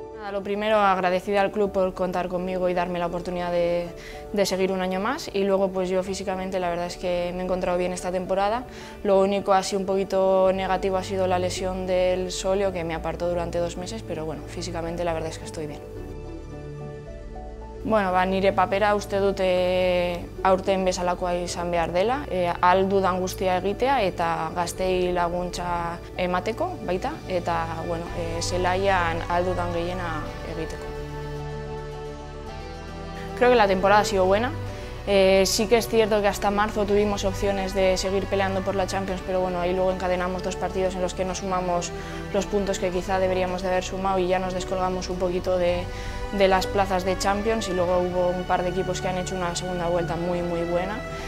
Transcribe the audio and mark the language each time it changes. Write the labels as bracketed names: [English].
[Spanish] lo primero, agradecida al club por contar conmigo y darme la oportunidad de seguir un año más. Y luego, pues yo físicamente, la verdad es que me he encontrado bien esta temporada. Lo único así un poquito negativo ha sido la lesión del sóleo, que me apartó durante 2 meses, pero bueno, físicamente la verdad es que estoy bien. [Basque] Bueno, ba, nire papera uste dut aurten bezalakoa izan behar dela, aldudan guztia egitea eta gaztei laguntza emateko baita, eta bueno, zelaian aldudan gehiena egiteko. [Spanish] Creo que la temporada ha sido buena. Sí que es cierto que hasta marzo tuvimos opciones de seguir peleando por la Champions, pero bueno, ahí luego encadenamos 2 partidos en los que no sumamos los puntos que quizá deberíamos de haber sumado y ya nos descolgamos un poquito de las plazas de Champions, y luego hubo un par de equipos que han hecho una segunda vuelta muy muy buena.